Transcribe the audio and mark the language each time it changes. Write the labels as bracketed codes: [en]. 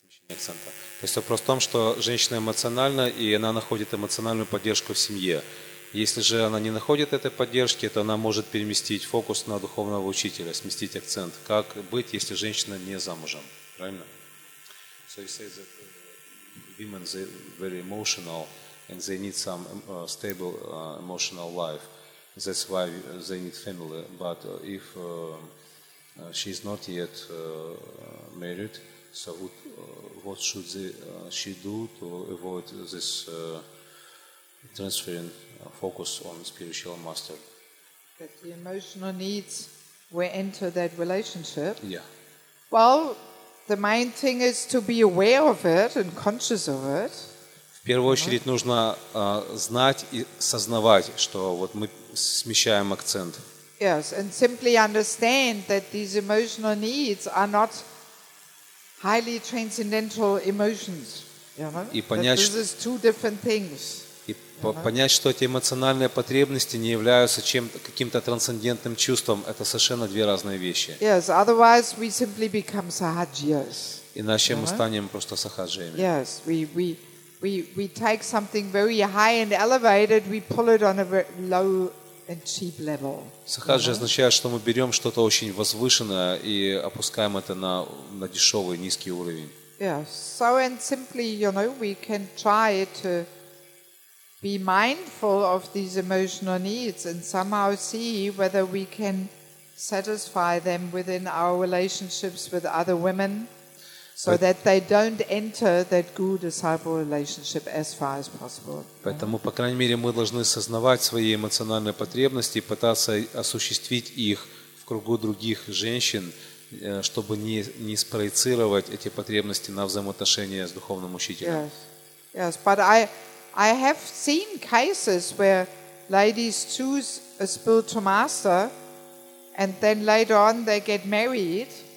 [ru] Акцента. То есть вопрос в том, что женщина эмоциональна, и она находит эмоциональную поддержку в семье. Если же она не находит этой поддержки, то она может переместить фокус на духовного учителя, сместить акцент. Как быть, если женщина не замужем? Правильно? [en] So you say that women are very emotional and they need some stable emotional life. That's why they need family. But if she is not yet married, so what should she do to avoid this transferring focus on spiritual master? That the emotional needs will enter that relationship. Yeah. Well, the main thing is to be aware of it and conscious of it. [ru] В первую очередь нужно знать и сознавать, что вот мы смещаем акцент. [en] Yes, and simply understand that these emotional needs are not highly transcendental emotions, you know? [ru] Понять, что эти эмоциональные потребности не являются чем-то каким-то трансцендентным чувством, это совершенно две разные вещи. [en] Yes, otherwise we simply become sahajiyas. [ru] Иначе мы станем просто сахаджиями. [en] Yes, we take something very high and elevated, we pull it on a very low and cheap level. [ru] Сахаджи означает, что мы берем что-то очень возвышенное и опускаем это на дешевый, низкий уровень. [en] Yes. So and simply, you know, we can try to be mindful of these emotional needs and somehow see whether we can satisfy them within our relationships with other women so that they don't enter that good disciple relationship as far as possible. [ru] Поэтому, по крайней мере, мы должны сознавать свои эмоциональные потребности и пытаться осуществить их в кругу других женщин, чтобы не спроецировать эти потребности на взаимоотношения с духовным учителем. [en] Yes. Yes, but I have seen cases where ladies choose a spiritual master and then later on they get married.